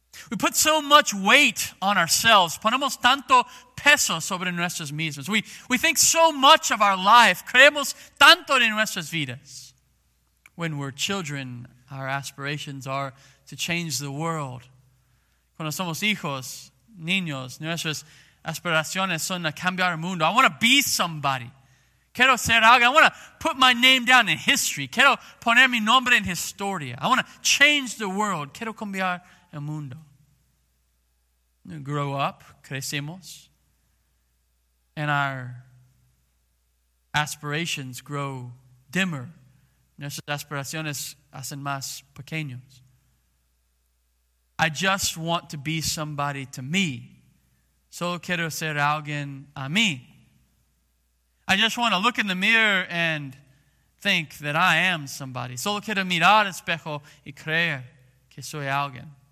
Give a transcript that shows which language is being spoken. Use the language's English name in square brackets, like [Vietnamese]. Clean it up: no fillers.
[English] We put so much weight on ourselves. [Spanish] Ponemos tanto peso sobre nuestras mismas. [English] We think so much of our life. [Spanish] Creemos tanto en nuestras vidas. [English] When we're children, our aspirations are to change the world. [Spanish] Cuando somos hijos, niños, nuestras aspiraciones son a cambiar el mundo. [English] I want to be somebody. [Spanish] Quiero ser alguien. [English] I want to put my name down in history. [Spanish] Quiero poner mi nombre en historia. [English] I want to change the world. [Spanish] Quiero cambiar el mundo. [English] We grow up, [Spanish] crecemos, [English] and our aspirations grow dimmer. [Spanish] Nuestras aspiraciones hacen más pequeños. [English] I just want to be somebody to me. [Spanish] Solo quiero ser alguien a mí. [English] I just want to look in the mirror and think that I am somebody. [Spanish] Solo quiero mirar al espejo y creer que soy alguien.